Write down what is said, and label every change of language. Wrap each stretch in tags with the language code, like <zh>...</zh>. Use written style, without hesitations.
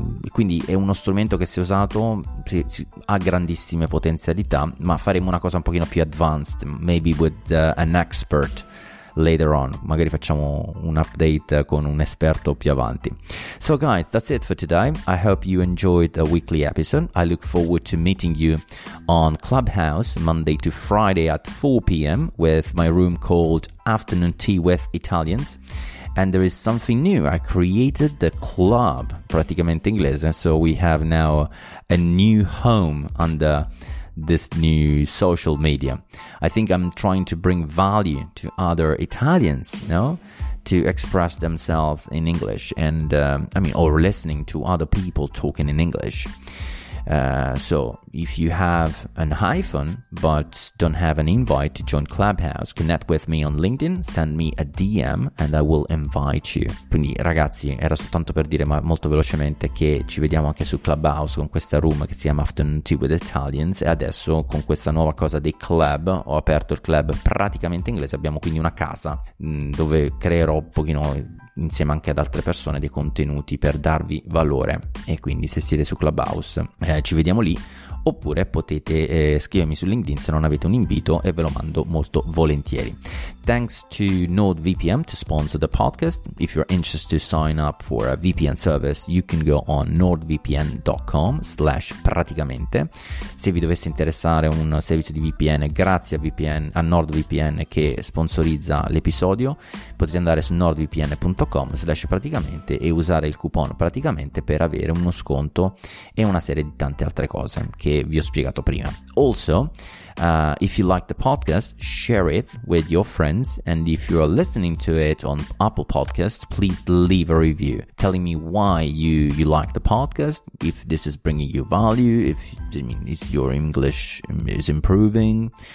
<it>Quindi è uno strumento che, se usato, ha grandissime potenzialità, ma faremo una cosa un pochino più advanced,</it> <en>maybe with an expert later on,</en> <it>magari facciamo un update con un esperto più avanti.</it> <en>So guys, that's it for today. I hope you enjoyed the weekly episode. I look forward to meeting you on Clubhouse Monday to Friday at 4 p.m. with my room called Afternoon Tea with Italians. And there is something new. I created the club Praticamente Inglese, so we have now a new home under this new social media. I think I'm trying to bring value to other Italians, you know, to express themselves in English and or listening to other people talking in English. So if you have an iPhone but don't have an invite to join Clubhouse, connect with me on LinkedIn, send me a DM and I will invite you.</en> <it>Quindi ragazzi, era soltanto per dire, ma molto velocemente, che ci vediamo anche su Clubhouse con questa room che si chiama Afternoon Tea with Italians, e adesso con questa nuova cosa dei club ho aperto il club Praticamente Inglese. Abbiamo quindi una casa dove creerò un pochino, insieme anche ad altre persone, dei contenuti per darvi valore. E quindi se siete su Clubhouse ci vediamo lì, oppure potete scrivermi su LinkedIn se non avete un invito e ve lo mando molto volentieri.</it> <en>Thanks to NordVPN to sponsor the podcast. If you're interested to sign up for a VPN service, you can go on nordvpn.com/praticamente.</en> <it>Se vi dovesse interessare un servizio di VPN, grazie a NordVPN che sponsorizza l'episodio, potete andare su nordvpn.com/praticamente e usare il coupon praticamente per avere uno sconto e una serie di tante altre cose che vi ho spiegato prima. Also,</it> <en>If you like the podcast, share it with your friends. And if you are listening to it on Apple Podcasts, please leave a review telling me why you like the podcast, if this is bringing you value, if I mean is your English is improving.</en>